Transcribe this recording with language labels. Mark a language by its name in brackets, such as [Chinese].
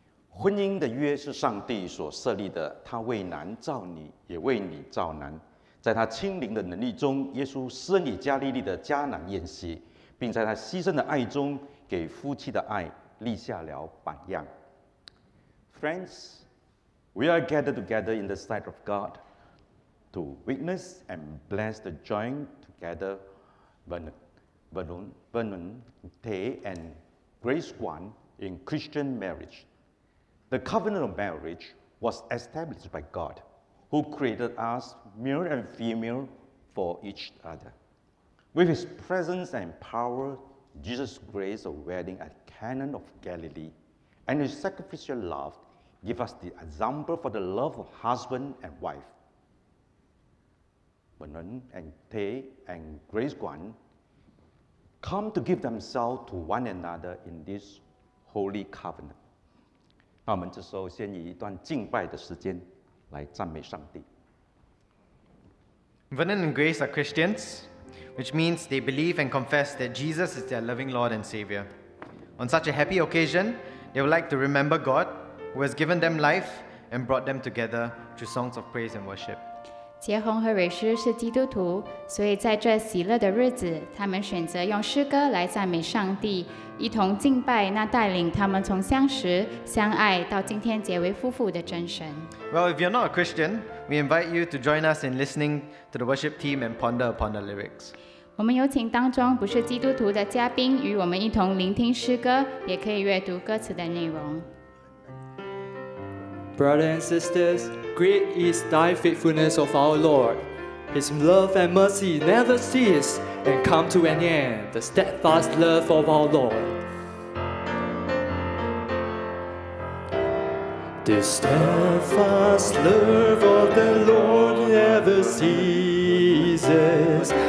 [Chinese] 婚姻的约是上帝所设立的，他为男造女，也为女造男。在他亲临的能力中，耶稣施恩给加利利的迦南宴席，并在他牺牲的爱中给夫妻的爱立下了榜样。 [English] Friends, we are gathered together in the sight of God to witness and bless the joint together Vernon and Grace Guan in Christian marriage. The covenant of marriage was established by God, who created us male and female for each other. With his presence and power,Jesus' grace of wedding at Cana of Galilee and his sacrificial love give us the example for the love of husband and wife. Vernon and Tay and Grace Guan come to give themselves to one another in this holy covenant. [Chinese] 那我们这时候先以一段敬拜的时间来赞美上帝。 [English] Vernon and Grace are Christians. Which means they believe and confess that Jesus is their loving Lord and Savior. On such a happy occasion, they would like to remember God, who has given them life and brought them together through songs of praise and worship. [Chinese] 杰宏和蕊诗是基督徒，所以在这喜乐的日子，他们选择用诗歌来赞美上帝，一同敬拜那带领他们从相识、相爱到今天结为夫妇的真神。 [English] Well, if you're not a Christian,We invite you to join us in listening to the worship team and ponder upon the lyrics. [Chinese] 我们有请当中不是基督徒的嘉宾与我们一同聆听诗歌，也可以阅读歌词的内容。 [English] Brothers and sisters, great is thy faithfulness of our Lord. His love and mercy never cease and come to an end. The steadfast love of our Lord. The steadfast love of the Lord never ceases.